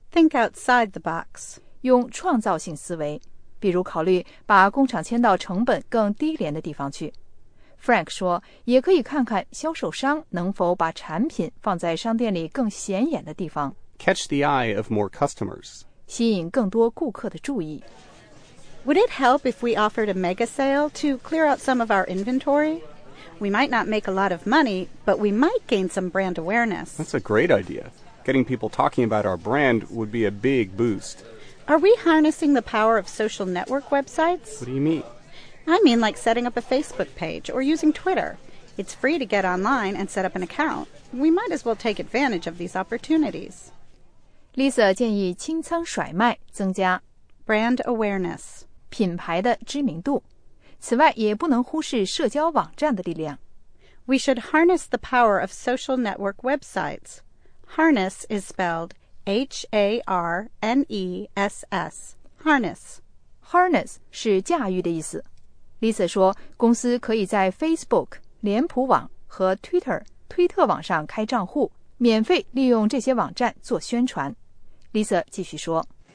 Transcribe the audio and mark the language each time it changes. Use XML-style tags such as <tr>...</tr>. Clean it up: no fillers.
<en>think outside the box.</en> <zh>用创造性思维。比如考虑把工厂迁到成本更低廉的地方去。 Frank 说，也可以看看销售商能否把产品放在商店里更显眼的地方。</zh> <en>catch the eye of more customers.</en> <zh>吸引更多顾客的注意。</zh> <en>Would it help if we offered a mega sale to clear out some of our inventory? We might not make a lot of money, but we might gain some brand awareness. That's a great idea. Getting people talking about our brand would be a big boost. Are we harnessing the power of social network websites? What do you mean? I mean like setting up a Facebook page or using Twitter. It's free to get online and set up an account. We might as well take advantage of these opportunities.</en> <zh>Lisa 建议清仓甩卖，增加</zh> <en>Brand awareness,</en> <zh>品牌的知名度。此外，也不能忽视社交网站的力量。</zh> <en>We should harness the power of social network websites. Harness is spelled H-A-R-N-E-S-S. Harness.</en> <zh>Harness 是驾驭的意思。Lisa 说，公司可以在 Facebook、脸谱网和 Twitter、推特网上开账户，免费利用这些网站做宣传。Lisa 继续说。</zh>